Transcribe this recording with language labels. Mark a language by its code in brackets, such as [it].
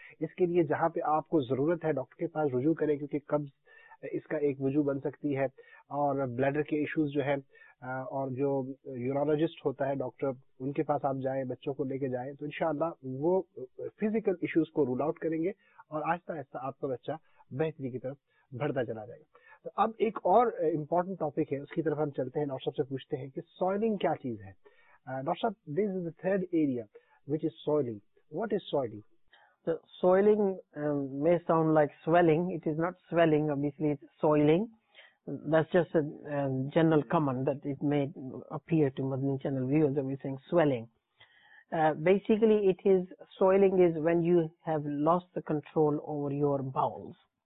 [ur] اس کے لیے جہاں پہ آپ کو ضرورت ہے ڈاکٹر کے پاس رجوع کریں, کیونکہ قبض اس کا ایک وجہ بن سکتی ہے, اور بلیڈر کے ایشوز جو ہے اور جو یورولوجسٹ ہوتا ہے ڈاکٹر ان کے پاس آپ جائیں, بچوں کو لے کے جائیں, تو انشاءاللہ وہ فزیکل ایشوز کو رول آؤٹ کریں گے اور آہستہ آہستہ آپ کا بچہ بہتری کی طرف بڑھتا چلا جائے گا. تو اب ایک اور امپورٹنٹ ٹاپک ہے, اس کی طرف ہم چلتے ہیں. ڈاکٹر صاحب سے پوچھتے ہیں کہ سوائلنگ کیا چیز ہے. [en] Doctor صاحب, this is the third area which is soiling. What is soiling? So, soiling may sound like swelling. It is not swelling, obviously it's soiling. That's just a general comment that it may appear to Madni Channel viewers that we're saying swelling. Basically, it is soiling is when you have lost the control over your bowels.